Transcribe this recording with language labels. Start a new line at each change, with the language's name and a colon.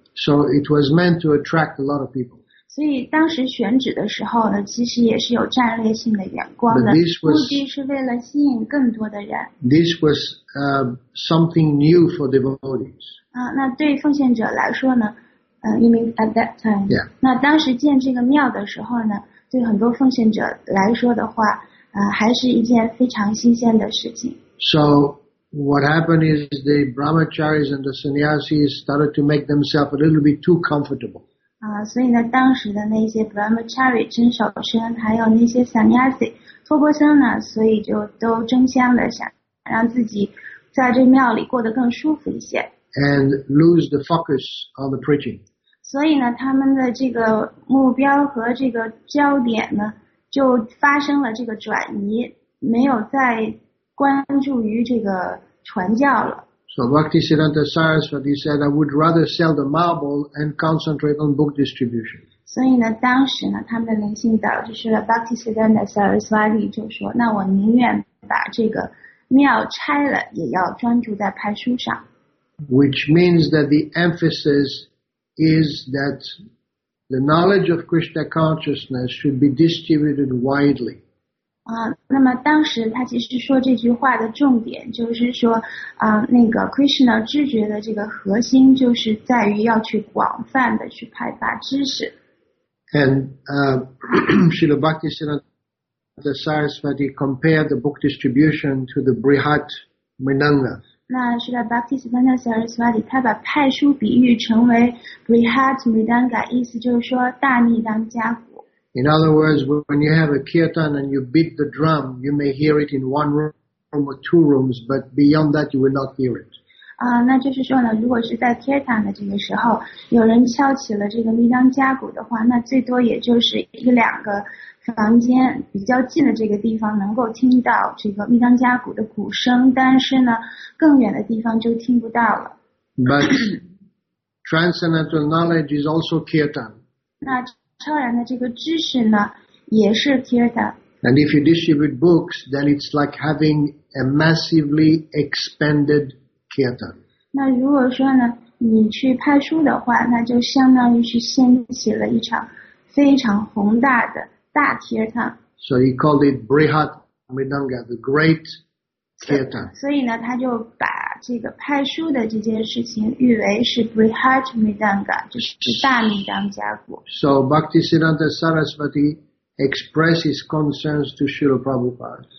English: So it was meant to attract a lot of people.
Chinese: 所以当时选址的时候呢，其实也是有战略性的眼光的。目的是为了吸引更多的人。
English: This was something new for devotees.
Chinese: 啊，那对奉献者来说呢？
English: You mean at that time? Yeah.
Chinese: 那当时建这个庙的时候呢，对很多奉献者来说的话，还是一件非常新鲜的事情。
English: So. What happened is the brahmacharis and the sannyasis started to make themselves a little bit too comfortable.
Chinese: 所以呢，当时的那些 brahmachari 真守身，还有那些 sannyasi 托钵僧呢，所以就都争相的想让自己在这庙里过得更舒服一些。
English: And lose the focus on the preaching.
Chinese: 所以呢，他们的这个目标和这个焦点呢，就发生了这个转移，没有在。关注于这个传教了。
English: So Bhaktisiddhanta Saraswati said, I would rather sell the marble and concentrate on book distribution.
Chinese: 所以呢，当时呢，他们的灵性导就是 Bhaktisiddhanta Saraswati 就说，那我宁愿把这个庙拆了，也要专注在拍书上。
English: Which means that the emphasis is that the knowledge of Krishna consciousness should be distributed widely.
Chinese: 那么当时他其实说这句话的重点就是说那个 Krishna 知觉的这个核心就是在于要去广泛的去派发知识。
English: And, Srila Bhaktisiddhanta Saraswati compared the book distribution to the Brihat Mrinanga.
Chinese: 那 Srila Bhaktisiddhanta Saraswati 他把派书比喻成为 Brihat Mrinanga, 意思就是说大逆当家。
English: In other words, when you have a kirtan and you beat the drum, you may hear it in one room or two rooms, but beyond that, you will not hear it.
Chinese: 那就是说呢，如果是在 kirtan 的这个时候，有人敲起了这个弥当加鼓的话，那最多也就是一两个房间比较近的这个地方能够听到这个弥当加鼓的鼓声，但是呢，更远的地方就听不到了。
English: But transcendental knowledge is also kirtan.
Chinese: 那超然的这个知识呢，也是 kirtan。
English: And if you distribute books, then it's like having a massively expanded kirtan.
Chinese: 那如果说呢，你去派书的话，那就相当于是掀起了一场非常宏大的大 kirtan。
English: So he called it Brihat Mridanga, the great kirtan.
Chinese: 所以呢，他就把这个派书的这件事情誉为是 Brihat Mridanga, 就是大弥当加鼓。
English: So Bhaktisiddhanta Saraswati expressed his concerns to Srila Prabhupada.